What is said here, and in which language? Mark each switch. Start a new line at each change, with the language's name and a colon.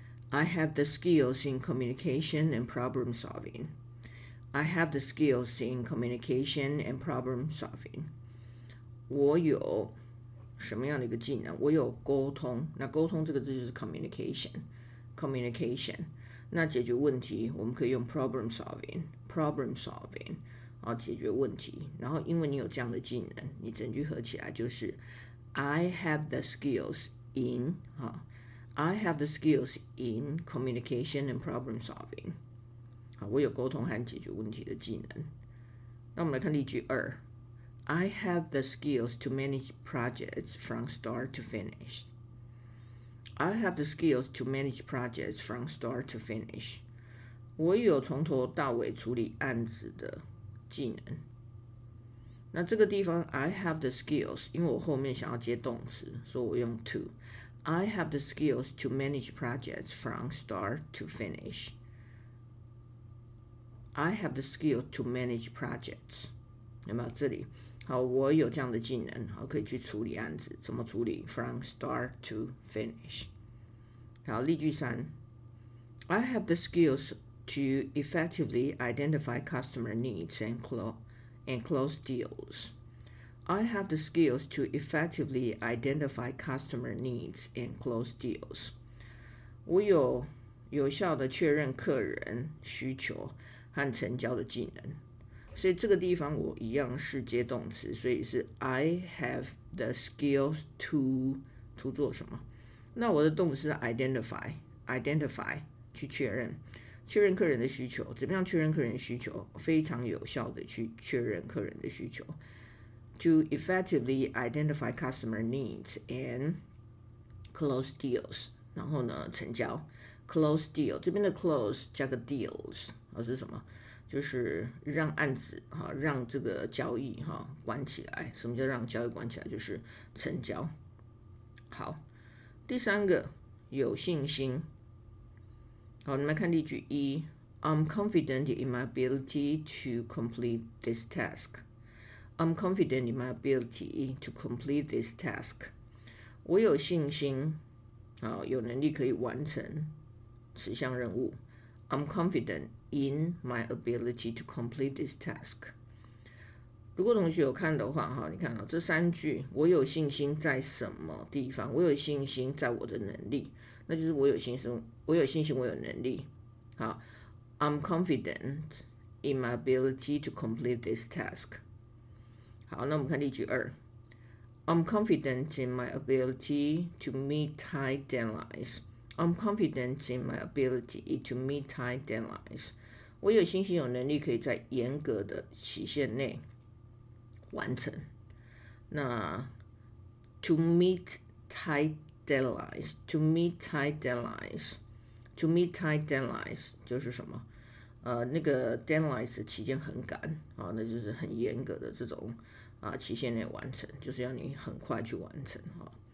English: I have the skills in communication and problem solving. I have the skills in communication and problem solving.
Chinese: 我有什么样的一个技能？我有沟通。那沟通这个字就是 communication， communication。那解决问题，我们可以用 problem solving， problem solving， 啊，解决问题。然后因为你有这样的技能，你整句合起来就是
English: I have the skills in，
Chinese: 啊。
English: I have the skills in communication and problem solving.
Chinese: 好，我有沟通和解决问题的技能。那我们来看例句二。
English: I have the skills to manage projects from start to finish. I have the skills to manage projects from start to finish.
Chinese: 我有从头到尾处理案子的技能。那这个地方
English: I have the skills，
Chinese: 因为我后面想要接动词，所以我用 to。
English: I have the skills to manage projects from start to finish. I have the skill to manage projects.
Chinese: 有没有这里？好，我有这样的技能，好，可以去处理案子，怎么处理 ？
English: From start to finish。好，
Chinese: 例句三
English: ，I have the skills to effectively identify customer needs and close deals. I have the skills to effectively identify customer needs and close deals.
Chinese: 我有有效的确认客人需求和成交的技能。所以这个地方我一样是接动词，所以是
English: I have the skills to
Chinese: 做什么？那我的动词是 identify 去确认，确认客人的需求，怎么样确认客人的需求？非常有效的去确认客人的需求 ，
English: to effectively identify customer needs and close deals，
Chinese: 然后呢成交 ，close deal 这边的 close 加个 deals， 而是什么？就是让案子让这个交易关起来。什么叫让交易关起来？就是成交。好，第三个有信心。好，你们看例句一
English: ，I'm confident in my ability to complete this task. I'm confident in my ability to complete this task.
Chinese: 我有信心，有能力可以完成此项任务。
English: I'm confident in my ability to complete this task.
Chinese: 如果同学有看的话，你看到这三句，我有信心在什么地方？我有信心在我的能力，那就是我有信心，我有信心，我有能力。
English: 好 ，I'm confident in my ability to complete this task. 好，
Chinese: 那我们看例句二
English: ，I'm confident in my ability to meet tight deadlines. I'm confident in my ability to meet tight deadlines.
Chinese: 我有信心有能力可以在严格的期限内完成。
English: 那 to meet tight deadlines, to meet tight deadlines, to meet tight deadlines
Chinese: 就是什么？那个 deadlines 的期间很赶啊，那就是很严格的这种啊期限内完成，就是要你很快去完成啊。